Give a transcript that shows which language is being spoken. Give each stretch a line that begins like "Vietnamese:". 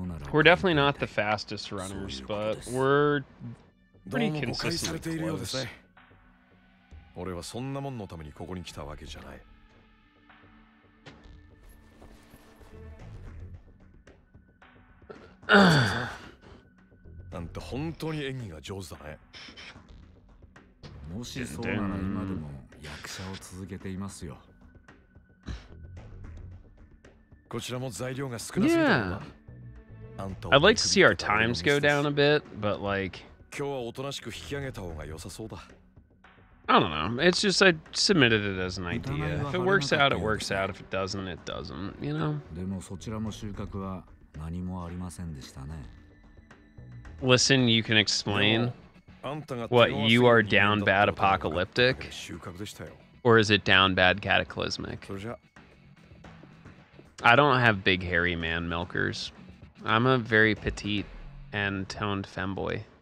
English: We're definitely not the fastest runners, but we're pretty consistently close.
Japanese: 俺はそんなもののためにここに来たわけじゃない。なんて本当に演技が上手だね。もしそうなら今でも役者を続けていますよ。こちらも材料が少なすぎたわ。Yeah.
English: I'd like to see our times go down a bit, but like
Japanese: 今日はおとなしく引き上げた方が良さそうだ。
English: I don't know. It's just I submitted it as an idea. If it works out, it works out. If it doesn't, it doesn't. You know.
Japanese: でもそちらも収穫は何もありませんでしたね。
English: Listen, you can explain what you are down bad apocalyptic, or is it down bad cataclysmic? I don't have big hairy man milkers. I'm a very petite and toned femboy.